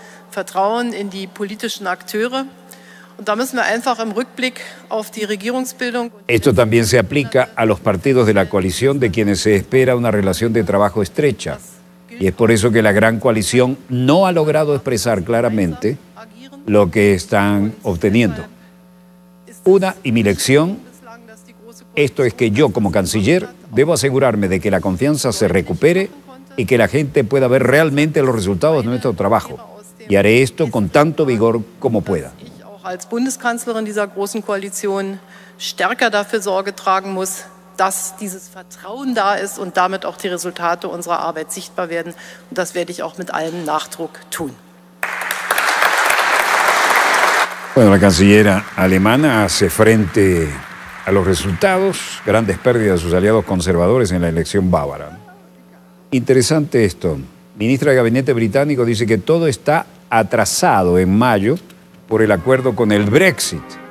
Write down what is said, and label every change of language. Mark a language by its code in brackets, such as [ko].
[de] Vertrauen in die politischen Akteure. Und da müssen wir einfach im Rückblick auf die Regierungsbildung. [es] Esto también se aplica a los partidos de la coalición, de quienes se espera una relación de trabajo estrecha. Y es por eso que la gran coalición no ha logrado expresar claramente lo que están obteniendo. Una y mi lección, esto es que yo como canciller debo asegurarme de que la confianza se recupere y que la gente pueda ver realmente los resultados de nuestro trabajo. Y haré esto con tanto vigor como pueda. [de] Als Bundeskanzlerin dieser großen Koalition stärker dafür Sorge tragen muss, dass dieses Vertrauen da ist und damit auch die Resultate unserer Arbeit sichtbar werden. Und das werde ich auch mit allem Nachdruck tun. [es] Bueno, la canciller alemana hace frente a los resultados, grandes pérdidas de sus aliados conservadores en la elección bávara. Interesante esto. Ministra de Gabinete Británico dice que todo está atrasado en mayo por el acuerdo con el Brexit.